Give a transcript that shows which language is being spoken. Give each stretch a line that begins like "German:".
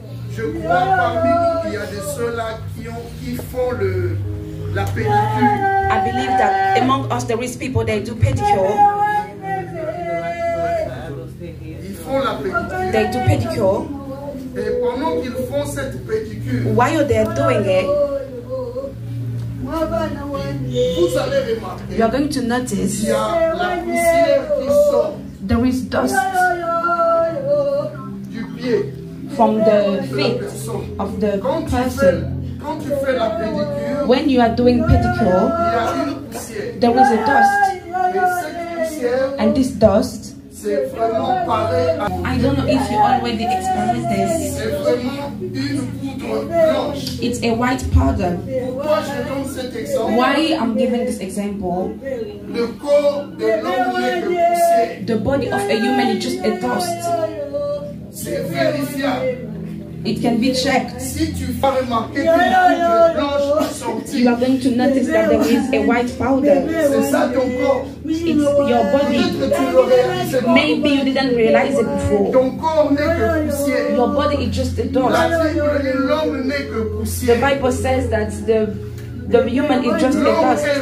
French: Je crois parmi nous, il y a des ceux-là qui font le la pédicure.
English: I believe that among us there is people that do pedicure. They do pedicure.
French: Et pendant qu'ils font cette pédicure,
English: while they are doing it,
French: vous allez remarquer,
English: you are going to notice,
French: il y a la poussière qui sort,
English: there is dust
French: du pied,
English: from the feet of the
French: quand
English: person.
French: Quand tu fais la pédicure,
English: when you are doing pedicure,
French: il y a une poussière,
English: there is a dust.
French: Et cette poussière,
English: and this dust,
French: c'est
English: I don't know if you already experienced this.
French: C'est une,
English: it's a white powder.
French: Je donne cet
English: why I'm giving this example?
French: Le corps de l'homme n'est que poussière.
English: The body of a human is just a dust.
French: C'est vérifiable.
English: It can be checked.
French: Si tu vas remarquer qu'une poudre blanche a sorti,
English: you are going to notice that there is a white powder.
French: C'est ça ton corps.
English: It's your body. Maybe you didn't realize it before.
French: Ton corps n'est que poussière.
English: Your body is just a dust.
French: La Bible dit l'homme n'est que poussière.
English: The Bible says that the human is just a dust.